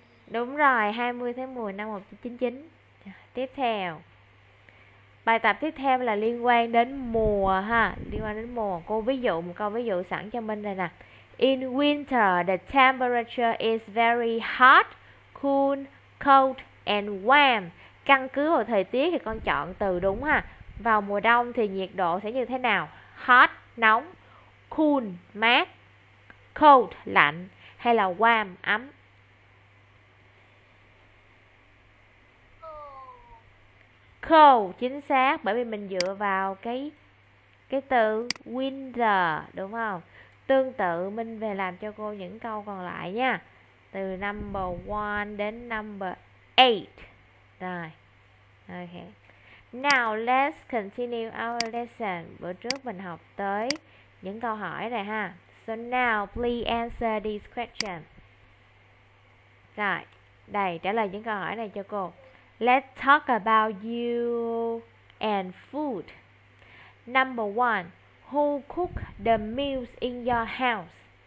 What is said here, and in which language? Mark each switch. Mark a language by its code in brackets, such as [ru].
[vi] Đúng rồi, 20 tháng 10 năm 1999. Tiếp theo. Bài tập tiếp theo là liên quan đến mùa ha, liên quan đến mùa. Cô ví dụ, một câu ví dụ sẵn cho mình đây nè. [en] In winter, the temperature is very hot, cool, cold and warm. [vi] Căn cứ vào thời tiết thì con chọn từ đúng ha. Vào mùa đông thì nhiệt độ sẽ như thế nào? Hot, nóng, cool, mát, cold, lạnh hay là warm, ấm? Cold, chính xác, bởi vì mình dựa vào cái từ winter, đúng không? Tương tự, mình về làm cho cô những câu còn lại nha. Từ number 1 đến number 8. [en] Rồi, ok. Now, let's continue our lesson. [vi] Bữa trước mình học tới những câu hỏi này ha. [en] So now, please answer this question. [vi] Rồi, đây, trả lời những câu hỏi này cho cô. [en] Let's talk about you and food. Number one, who cook the meals in your house?